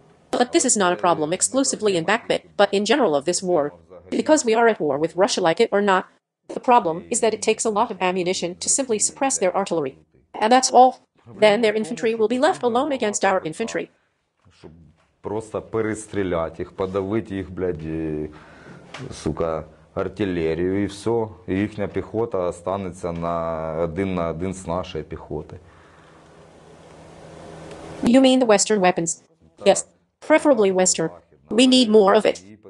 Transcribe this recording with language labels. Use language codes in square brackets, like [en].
[en] But this is not a problem exclusively in BACBIT, but in general of this war. Because we are at war with Russia, like it or not, the problem is that it takes a lot of ammunition to simply suppress their artillery. And that's all. Then their infantry will be left alone against our infantry. [uk] Щоб просто перестріляти їх, подавити їх, блядь, сука, артилерію і все. І їхня піхота станеться на один з нашої піхоти. [en] You mean the Western weapons? Yes, preferably Western. We need more of it.